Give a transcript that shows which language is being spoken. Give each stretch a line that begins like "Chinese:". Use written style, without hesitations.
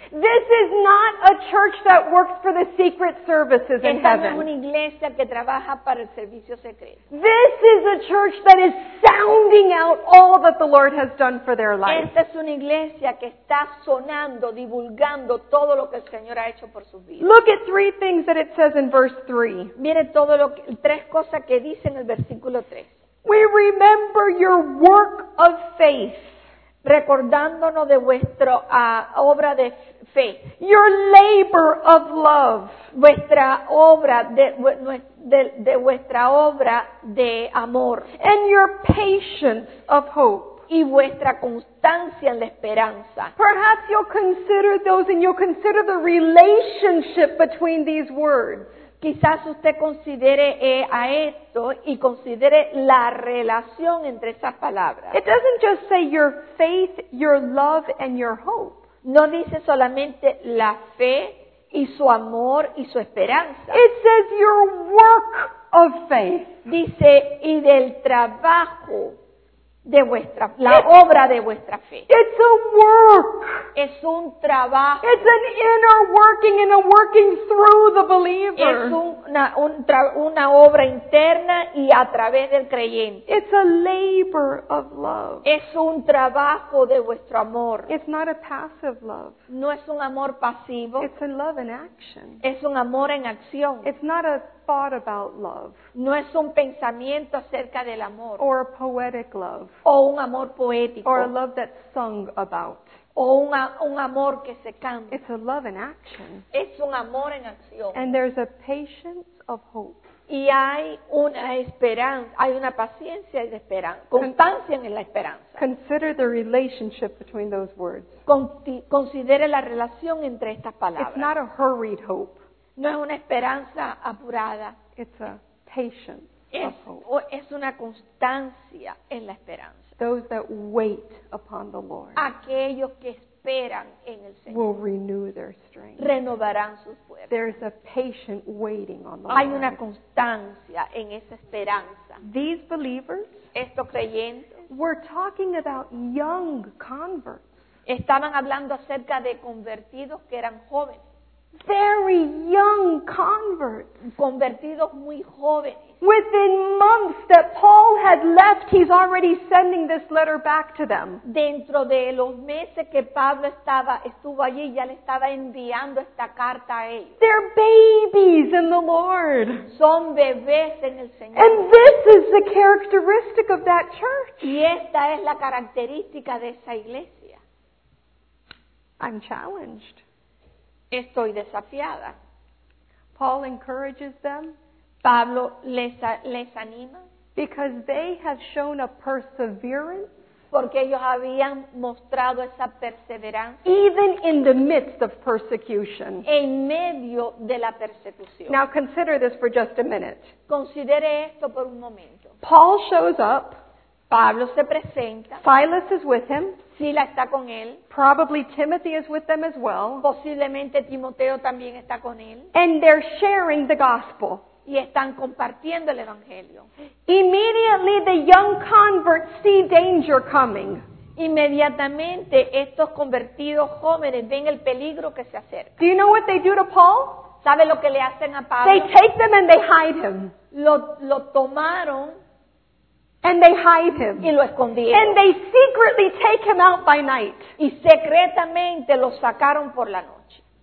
English: This is not a church that works for the secret services in heaven.
Spanish: Esta no es una iglesia que trabaja para el servicio secreto.
English: This is a church that is sounding out all that the Lord has done for their life.
Spanish: Esta es una iglesia que está sonando, divulgando todo lo que el Señor ha hecho por sus vidas.
English: Look at three things that it says in verse 3.
Spanish: Mire todo lo que, tres cosas que dice en el versículo 3.
English: We remember your work of faith.
Spanish: Recordándonos de vuestra obra de fe.
English: Your labor of love.
Spanish: Vuestra obra de vuestra obra de amor.
English: And your patience of hope.
Spanish: Y vuestra constancia en la esperanza.
English: Perhaps you'll consider those and you'll consider the relationship between these words.
Spanish: Quizás usted considere a esto y considere la relación entre esas palabras.
English: It doesn't just say your faith, your love, and your hope.
Spanish: No dice solamente la fe y su amor y su esperanza.
English: It says your work of faith.
Spanish: Dice y del trabajo de vuestra, la obra de vuestra fe.
English: It's a work.
Spanish: Es un trabajo.
English: It's an inner working and a working through the believer.
Spanish: Es una obra interna y a través del creyente.
English: It's a labor of love.
Spanish: Es un trabajo de vuestro amor.
English: It's not a passive love.
Spanish: No es un amor pasivo.
English: It's a love in action.
Spanish: Es un amor en acción.
English: It's not a thought about love.
Spanish: No es un pensamiento acerca del amor.
English: Or a poetic love.
Spanish: O un amor poético.
English: Or a love that's sung about.
Spanish: O un amor que se canta.
English: It's a love in action.
Spanish: Es un amor en acción.
English: And there's a patience of hope.
Spanish: Y hay una esperanza, hay una paciencia y esperanza, constancia en la esperanza.
English: Consider the relationship between those words.
Spanish: Considere la relación entre estas palabras.
English: It's not a hurried hope.
Spanish: No es una esperanza apurada.
English: It's a patience of hope.
Spanish: Es una constancia en la esperanza.
English: Those that wait upon the Lord.
Spanish: Aquellos que esperan en el Señor.
English: Will renew their strength.
Spanish: Renovarán sus fuerzas.
English: There is a patient waiting on the
Spanish: Hay
English: Lord.
Spanish: Hay una constancia en esa esperanza.
English: These believers.
Spanish: Estos creyentes.
English: We're talking about young converts.
Spanish: Estaban hablando acerca de convertidos que eran jóvenes.
English: Very young converts.
Spanish: Convertidos muy jóvenes.
English: Within months that Paul had left, he's already sending this letter back to them.
Spanish: Dentro de los meses que Pablo estuvo allí, ya le estaba enviando esta carta a ellos.
English: They're babies in the Lord.
Spanish: Son bebés en el Señor.
English: And this is the characteristic of that church.
Spanish: Y esta es la característica de esa iglesia.
English: I'm challenged.
Spanish: Estoy desafiada.
English: Paul encourages them.
Spanish: Pablo les anima.
English: Because they have shown a perseverance.
Spanish: Porque ellos habían mostrado esa perseverancia.
English: Even in the midst of persecution.
Spanish: En medio de la persecución.
English: Now consider this for just a minute.
Spanish: Considere esto por un momento.
English: Paul shows up.
Spanish: Pablo se presenta.
English: Silas is with him.
Spanish: Sila está con él.
English: Probably Timothy is with them as well.
Spanish: Posiblemente Timoteo también está con él.
English: And they're sharing the gospel.
Spanish: Y están compartiendo el evangelio.
English: Immediately the young converts see danger coming.
Spanish: Inmediatamente estos convertidos jóvenes ven el peligro que se acerca.
English: Do you know what they do to Paul?
Spanish: ¿Sabe lo que le hacen a Pablo?
English: They take them and they hide him.
Spanish: Lo tomaron.
English: And they hide him.
Spanish: Y lo escondieron.
English: And they secretly take him out by night.
Spanish: Y secretamente lo sacaron por la noche.